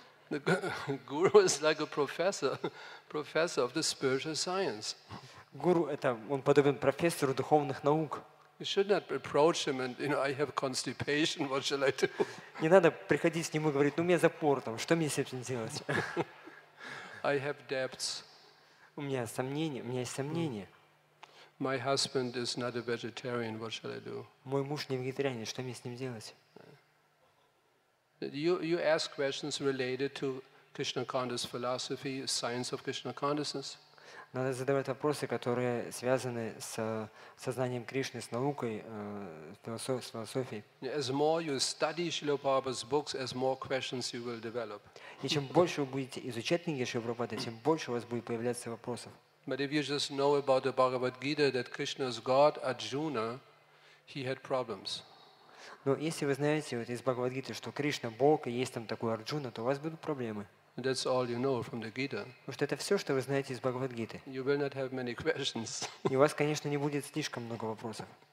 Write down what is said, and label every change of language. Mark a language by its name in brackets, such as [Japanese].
[English] The guru is like a professor of the spiritual science. [Russian] Guru это он подобен профессору духовных наук. [English] You should not approach him and, you know, I have constipation. What shall I do? [Russian] Не надо приходить с ним и говорить, ну у меня запор там, что мне с этим делать? [English] I have doubts. [Russian] У меня есть сомнения. [English] My husband is not a vegetarian. What shall I do? [Russian] Мой муж не вегетарианец. Что мне с ним делать? [English] You ask questions related to Krishna consciousness philosophy, science of Krishna consciousness. [Russian] Надо задавать вопросы, которые связаны с сознанием Кришны, с наукой, с философией. [English] As more you study Srila Prabhupada's books, as more questions you will develop. [Russian] И чем больше вы будете изучать книги Шрилы Прабхупады, тем больше у вас будет появляться вопросов. [English] But if you just know about the Bhagavad Gita that Krishna is God, Arjuna, he had problems. [Russian] Но если вы знаете из Бхагавад Гиты, что Кришна Бог и есть там такой Арджуна, то у вас будут проблемы. [English] That's all you know from the Gita. [Russian] Потому что это все, что вы знаете из Бхагавад Гиты. [English] You will not have many questions. [Russian] И у вас, конечно, не будет слишком много вопросов.